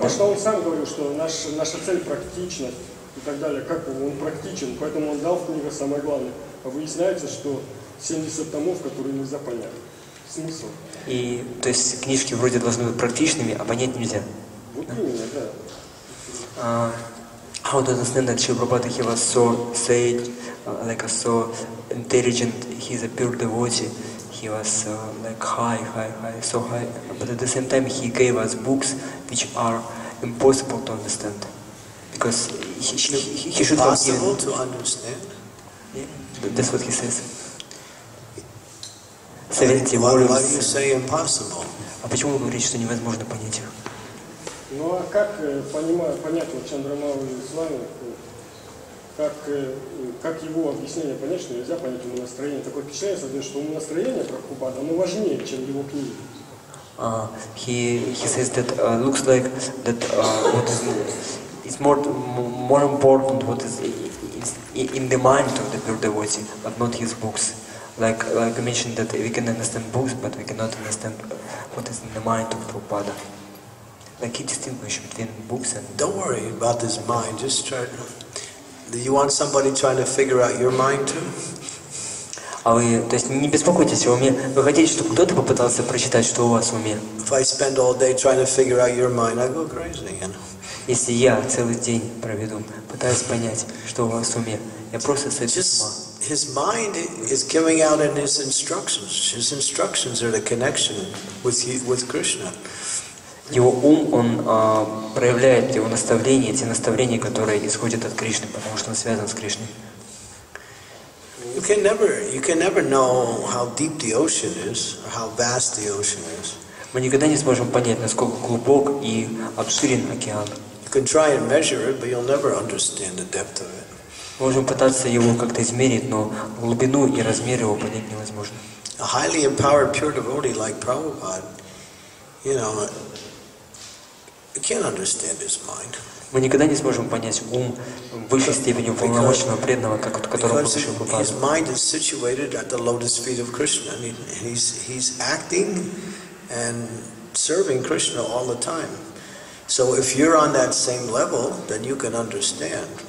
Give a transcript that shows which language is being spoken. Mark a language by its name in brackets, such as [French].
[Russian] Да, что он сам говорил, что наша цель практичность и так далее, как он практичен, поэтому он дал в книгах самое главное. А выясняется, что 70 томов, которые нельзя понять. Смысл. И, то есть, книжки вроде должны быть практичными, а понять нельзя. Вот именно, да. [English] How does Шрила Прабхупада, he was so sage, like so intelligent, he's a pure devotee, he was high, so high, but at the same time he gave us books which are impossible to understand. Because he should have given... Impossible to understand? Yeah, that's what he says. Why do you say impossible? [Russian] А почему вы говорите, что невозможно понять их? Ну а как понять вот Чандрамау и с вами, как его объяснение понять, что нельзя понять ему настроение? Такое впечатление создает, что ему настроение Прабхупада, оно важнее, чем его книги. [English] He says that looks like that what is it's more important what is in the mind of the pure devotee, but not his books. Like I mentioned that we can understand books, but we cannot understand what is in the mind of Prabhupada. Like he distinguishes between books and... Don't worry about this mind, just try to... Do you want somebody trying to figure out your mind too? [Russian] А вы, то есть не беспокойтесь о уме, вы хотите, чтобы кто-то попытался прочитать, что у вас в уме? [English] If I spend all day trying to figure out your mind, I go crazy, you know? [Russian] Если я целый день проведу, пытаюсь понять, что у вас в уме, я просто сойду с ума. [English] His mind is giving out in his instructions. His instructions are the connection with Krishna. [Russian] Его ум, он проявляет его наставления, те наставления, которые исходят от Кришны, потому что он связан с Кришной. [English] You can never know how deep the ocean is, or how vast the ocean is. [Russian] Мы никогда не сможем понять, насколько глубок и обширен океан. [English] You can try and measure it, but you'll never understand the depth of it. [Russian] Мы можем пытаться его как-то измерить, но глубину и размер его понять невозможно. [English] A highly empowered pure devotee like Prabhupada, you know, you can't understand his mind. [Russian] Мы никогда не сможем понять ум в высшей степени полномочного преданного, как от которого получил Прабхупаду. [English] His mind is situated at the lotus feet of Krishna. I mean, he's acting and serving Krishna all the time. So if you're on that same level, then you can understand.